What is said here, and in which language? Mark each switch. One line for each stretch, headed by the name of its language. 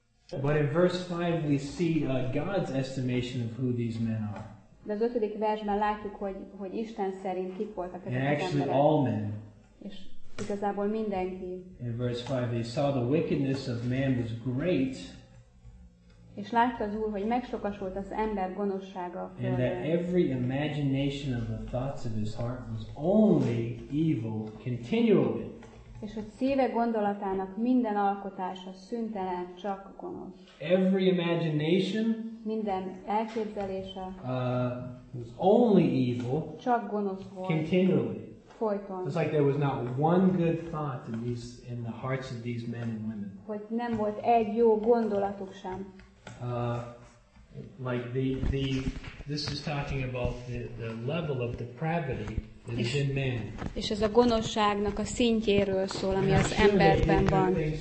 English: But in verse 5 we see God's estimation of who these men are.
Hungarian: De az ötödik versben látjuk, hogy Isten szerint kik voltak ezek az emberek.
English: And actually all men.
Hungarian: És igazából mindenki.
English: In verse 5 they saw the wickedness of man was great.
Hungarian: És látta az Úr, hogy megsokasult az ember gonoszsága.
English: And that every imagination of the thoughts of his heart was only evil continually.
Hungarian: És hogy szíve gondolatának minden alkotása szüntelen csak gonosz.
English: Every imagination,
Hungarian: minden elképzelése,
English: was only evil,
Hungarian: csak gonosz volt.
English: Continually.
Hungarian: Folyton.
English: It's like there was not one good thought in the hearts of these men and women.
Hungarian: Hogy nem volt egy jó gondolatuk sem.
English: Like this is talking about the level of depravity.
Hungarian: És ez a gonoszságnak a szintjéről szól, ami az emberben van.